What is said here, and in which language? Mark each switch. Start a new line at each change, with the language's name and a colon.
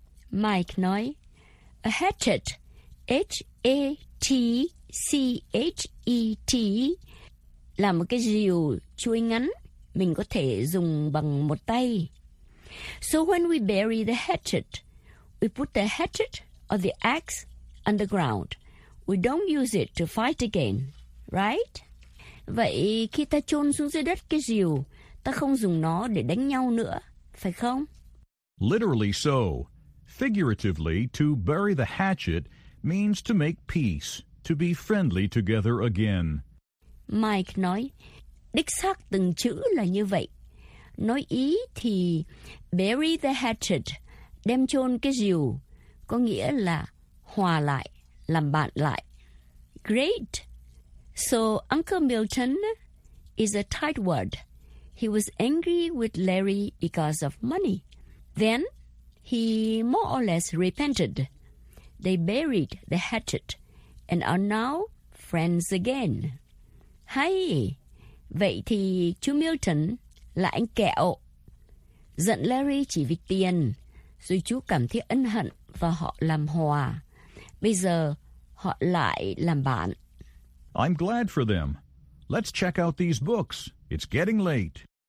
Vietnamese: Mike nói, a hatchet, H-A-T-C-H-E-T, là một cái rìu chuôi ngắn mình có thể dùng bằng một tay.
English: So when we bury the hatchet, we put the hatchet or the axe underground. We don't use it to fight again, right?
Vietnamese: Vậy khi ta chôn xuống dưới đất cái rìu, ta không dùng nó để đánh nhau nữa, phải không?
English: Literally so. Figuratively, to bury the hatchet means to make peace, to be friendly together again.
Vietnamese: Mike nói, đích xác từng chữ là như vậy. Nói ý thì bury the hatchet, đem chôn cái rìu, có nghĩa là hòa lại, làm bạn lại.
English: Great! So Uncle Milton is a tightwad. He was angry with Larry because of money. Then he more or less repented. They buried the hatchet and are now friends again.
Vietnamese: Hay, vậy thì chú Milton là anh kẹo. Giận Larry chỉ vì tiền, rồi chú cảm thấy ân hận và họ làm hòa. Bây giờ họ lại làm bạn.
English: I'm glad for them. Let's check out these books. It's getting late.